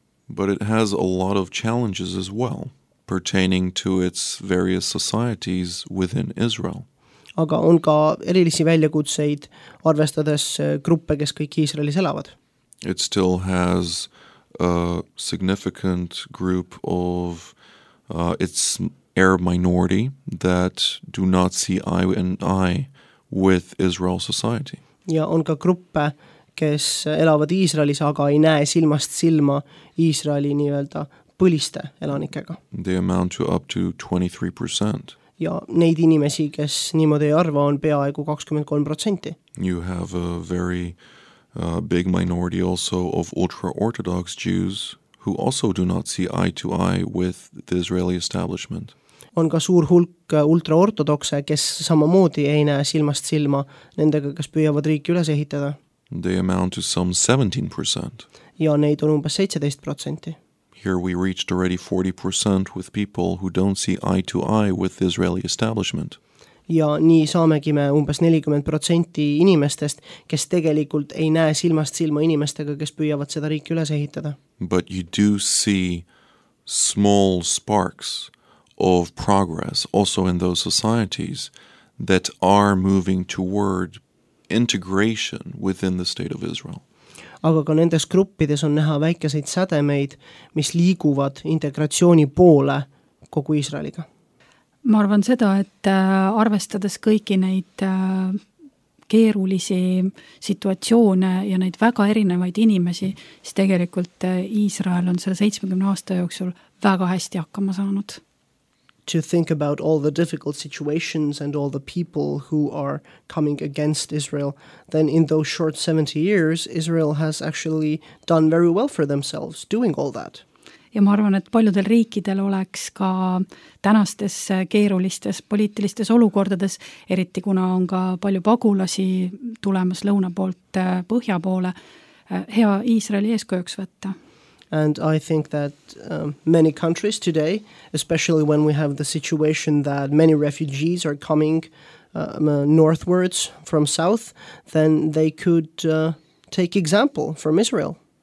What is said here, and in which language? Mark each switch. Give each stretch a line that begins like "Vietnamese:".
English: But it has a lot of challenges as well, pertaining to its various societies within Israel.
Estonian: Aga on ka erilisi väljakutseid arvestades gruppe, kes kõik Iisraelis elavad.
English: It still has a significant group of its Arab minority that do not see eye in eye with Israel society.
Estonian: Ja on ka gruppe, kes elavad Iisraelis, aga ei näe silmast silma Iisraeli nii-öelda põliste elanikega.
English: They amount to up to 23%.
Estonian: Ja neid inimesi, kes niimoodi ei arva, on peaaegu 23%.
English: You have a very big minority also of ultra-Orthodox Jews who also do not see eye to eye with the Israeli establishment.
Estonian: On ka suur hulk ultra-Orthodoxe, kes samamoodi ei näe silmast silma nendega, kes püüavad riiki üles ehitada.
English: They amount to some 17%.
Estonian: Ja neid on umbes 17%.
English: Here we reached already 40% with people who don't see eye to eye with the Israeli establishment.
Estonian: Ja nii saamegi me umbes 40% inimestest, kes tegelikult ei näe silmast silma inimestega, kes püüavad seda riiki üles ehitada.
English: But you do see small sparks of progress also in those societies that are moving toward integration within the state of Israel.
Estonian: Aga ka nendes gruppides on näha väikeseid sädemeid, mis liiguvad integratsiooni poole kogu Iisraeliga. Ma arvan seda, et arvestades kõiki neid keerulisi situatsioone ja neid väga erinevaid inimesi, siis tegelikult Iisrael on selle 70 aasta jooksul väga hästi hakkama saanud.
English: To think about all the difficult situations and all the people who are coming against Israel, then in those short 70 years, Israel has actually done very well for themselves doing all that.
Estonian: Ja ma arvan, et paljudel riikidel oleks ka tänastes keerulistes poliitilistes olukordades, eriti kuna on ka palju pagulasi tulemas lõuna poolt põhja poole, hea Iisraeli eeskujuks võtta.
English: And I think that many countries today, especially when we have the situation that many refugees are coming northwards from south, then they could take example from Israel.